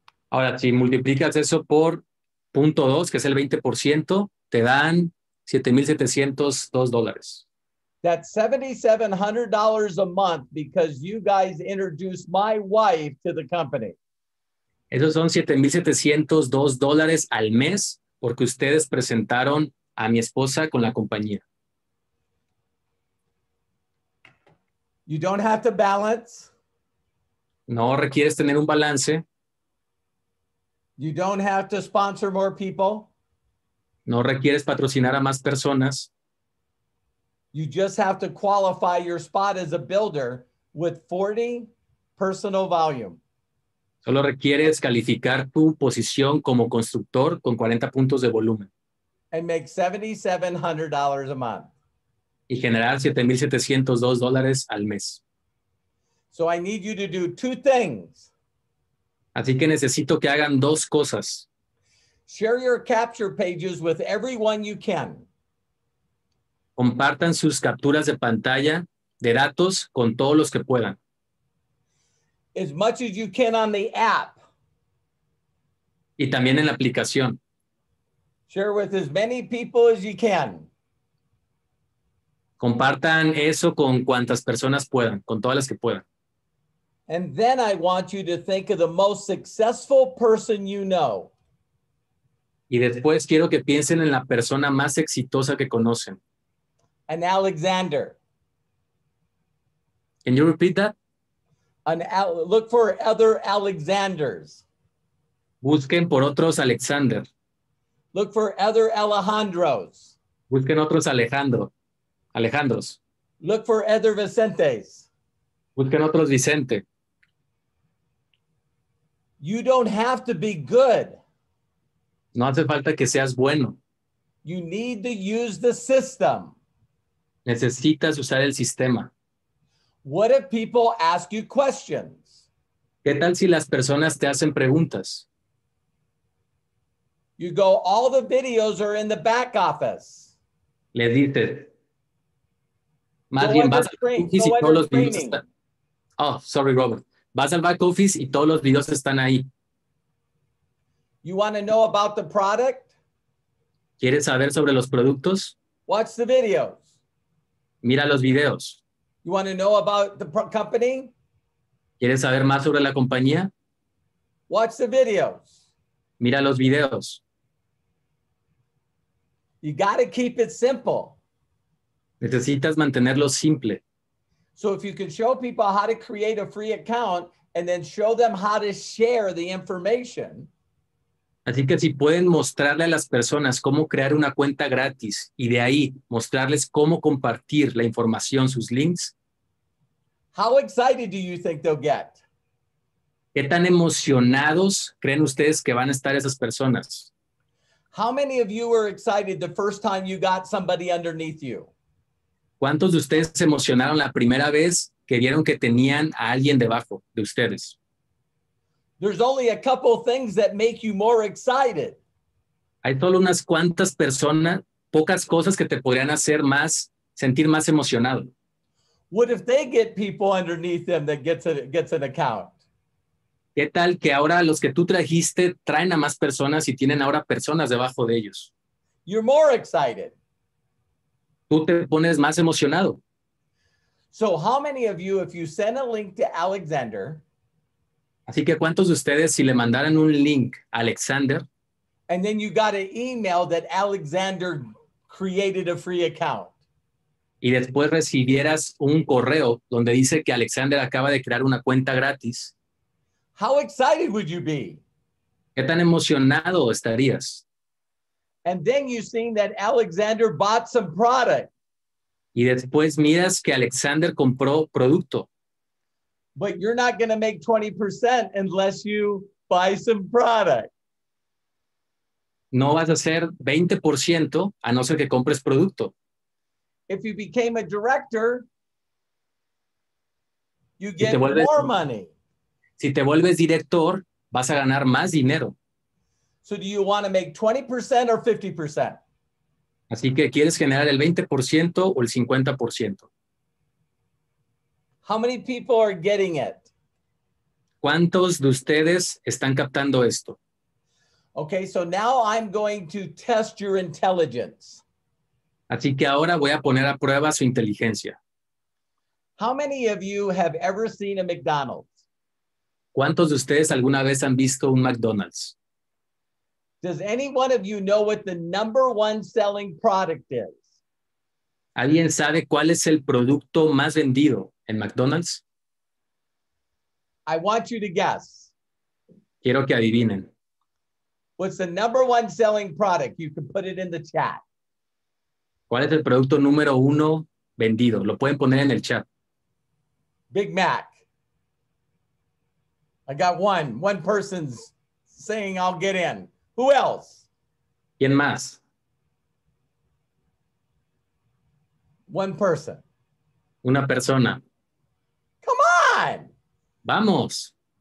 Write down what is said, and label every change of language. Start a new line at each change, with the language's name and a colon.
Spanish: Ahora, si multiplicas eso por punto 2, que es el 20%, te dan $7,702.
English: That's $7,700 a month because you guys introduced my wife to the company.
Spanish: Esos son $7,702 al mes porque ustedes presentaron a mi esposa con la compañía.
English: You don't have to balance.
Spanish: No requieres tener un balance.
English: You don't have to sponsor more people.
Spanish: No requieres patrocinar a más personas.
English: You just have to qualify your spot as a builder with 40 personal volume.
Spanish: Solo requieres calificar tu posición como constructor con 40 puntos de volumen.
English: And make $7,700 a month.
Spanish: Y generar $7,702 al mes.
English: So I need you to do two things.
Spanish: Así que necesito que hagan dos cosas.
English: Share your capture pages with everyone you can.
Spanish: Compartan sus capturas de pantalla de datos con todos los que puedan.
English: As much as you can on the app.
Spanish: Y también en la aplicación.
English: Share with as many people as you can.
Spanish: Compartan eso con cuantas personas puedan, con todas las que puedan.
English: And then I want you to think of the most successful person you know.
Spanish: Y después quiero que piensen en la persona más exitosa que conocen.
English: An Alexander. Can you repeat that? Look for other Alexanders.
Spanish: Busquen por otros Alexander.
English: Look for other Alejandros.
Spanish: Busquen otros Alejandros.
English: Look for other Vicentes.
Spanish: Busquen otros Vicente.
English: You don't have to be good.
Spanish: No hace falta que seas bueno.
English: You need to use the system.
Spanish: Necesitas usar el sistema.
English: What if people ask you questions?
Spanish: ¿Qué tal si las personas te hacen preguntas?
English: You go, all the videos are in the back office.
Spanish: Le dice. Más bien, vas al back office y todos los videos están.
English: Oh, sorry, Robert.
Spanish: Vas al back office y todos los videos están ahí.
English: You want to know about the product?
Spanish: ¿Quieres saber sobre los productos?
English: Watch the videos.
Spanish: Mira los videos.
English: You want to know about the company?
Spanish: ¿Quieres saber más sobre la compañía?
English: Watch the videos.
Spanish: Mira los videos.
English: You got to keep it simple.
Spanish: Necesitas mantenerlo simple.
English: So if you can show people how to create a free account and then show them how to share the information.
Spanish: Así que si pueden mostrarle a las personas cómo crear una cuenta gratis y de ahí mostrarles cómo compartir la información, sus links.
English: How excited do you think they'll get?
Spanish: ¿Qué tan emocionados creen ustedes que van a estar esas personas?
English: How many of you were excited the first time you got somebody underneath you?
Spanish: ¿Cuántos de ustedes se emocionaron la primera vez que vieron que tenían a alguien debajo de ustedes?
English: There's only a couple things that make you more excited.
Spanish: Hay solo unas cuantas personas, pocas cosas que te podrían hacer más, sentir más emocionado.
English: What if they get people underneath them that gets an account?
Spanish: ¿Qué tal que ahora los que tú trajiste traen a más personas y tienen ahora personas debajo de ellos?
English: You're more excited.
Spanish: Tú te pones más emocionado.
English: So how many of you, if you send a link to Alexander,
Spanish: así que ¿cuántos de ustedes si le mandaran un link a Alexander?
English: And then you got an email that Alexander created a free account.
Spanish: Y después recibieras un correo donde dice que Alexander acaba de crear una cuenta gratis.
English: How excited would you be?
Spanish: ¿Qué tan emocionado estarías?
English: And then you've seen that Alexander bought some product.
Spanish: Y después miras que Alexander compró producto.
English: But you're not going to make 20% unless you buy some product.
Spanish: No vas a hacer 20% a no ser que compres producto.
English: If you became a director, you get more money.
Spanish: Si te vuelves director, vas a ganar más dinero.
English: So do you want to make 20% or 50%?
Spanish: Así que quieres generar el 20% o el 50%.
English: How many people are getting it?
Spanish: ¿Cuántos de ustedes están captando esto?
English: Okay, so now I'm going to test your intelligence.
Spanish: Así que ahora voy a poner a prueba su inteligencia.
English: How many of you have ever seen a McDonald's?
Spanish: ¿Cuántos de ustedes alguna vez han visto un McDonald's?
English: Does any one of you know what the number one selling product is?
Spanish: ¿Alguien sabe cuál es el producto más vendido en McDonald's?
English: I want you to guess.
Spanish: Quiero que adivinen.
English: What's the number one selling product? You can put it in the chat.
Spanish: ¿Cuál es el producto número uno vendido? Lo pueden poner en el chat.
English: Big Mac. I got one. One person's saying I'll get in. Who else?
Spanish: ¿Quién más?
English: One person.
Spanish: Una persona.
English: Come on.
Spanish: Vamos.